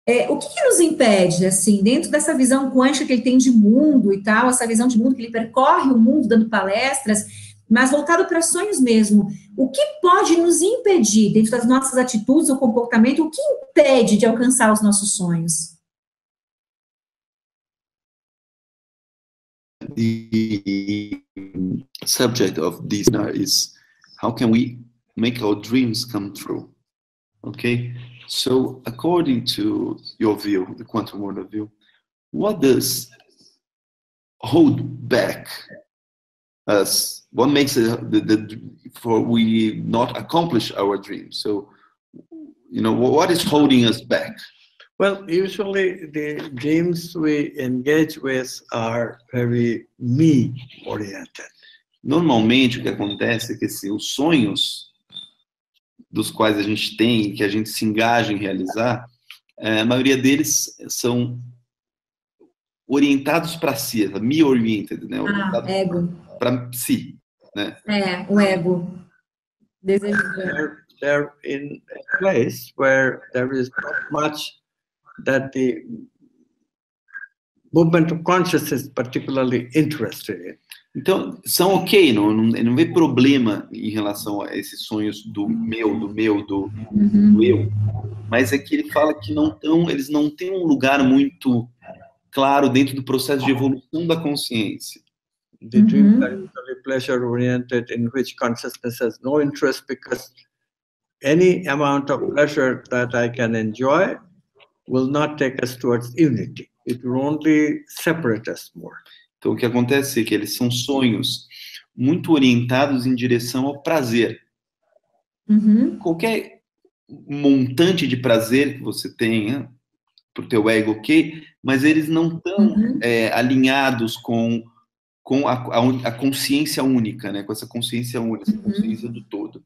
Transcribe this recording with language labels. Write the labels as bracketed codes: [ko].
[pt] o que que nos impede, assim, dentro dessa visão quântica que ele tem de mundo e tal, essa visão de mundo que ele percorre o mundo dando palestras, mas voltado para sonhos mesmo, o que pode nos impedir, dentro das nossas atitudes ou comportamento, o que impede de alcançar os nossos sonhos? [en] The subject of this seminar is how can we make our dreams come true? Okay, so according to your view, the quantum world view, what does hold back us? What makes it for we not accomplish our dreams? So, you know, what is holding us back? Well, usually the dreams we engage with are very me-oriented. [pt] Normalmente o que acontece é que assim, os sonhos dos quais a gente tem, que a gente se engaja em realizar, a maioria deles são orientados para si, me-oriented, né? Ah, ego. Para si, né? O ego. Desejo. [en] They're in a place where there is not much that the movement of consciousness is particularly interested in. [pt] Então, são ok, não vê problema em relação a esses sonhos do eu. Mas é que ele fala que eles não têm um lugar muito claro dentro do processo de evolução da consciência. [en] The dream is only pleasure oriented in which consciousness has no interest because any amount of pleasure that I can enjoy will not take us towards unity. It will only separate us more. [pt] Então, o que acontece é que eles são sonhos muito orientados em direção ao prazer. Uhum. Qualquer montante de prazer que você tenha para o teu ego, ok, mas eles não estão alinhados com a consciência única, né? Com essa consciência única, essa consciência do todo.